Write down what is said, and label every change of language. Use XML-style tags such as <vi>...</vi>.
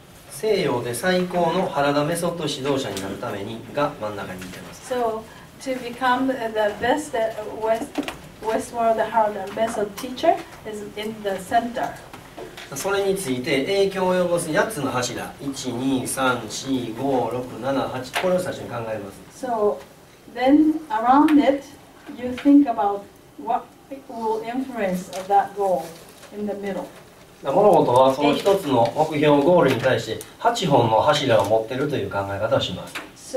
<ja>西洋で最高の原田メソッド指導者になるためにが真ん中に似てます。</ja> <en>So, to become the best Westworld Harada Method teacher is in the center.</en> <ja>それについて影響を及ぼす8つの柱、1、2、3、4、5、6、7、8、これを最初に考えます。</ja> <en>So, then around it, you think about what?</en> <ja>物事はその一つの目標ゴールに対して8本の柱を持っているという考え方をします。</ja>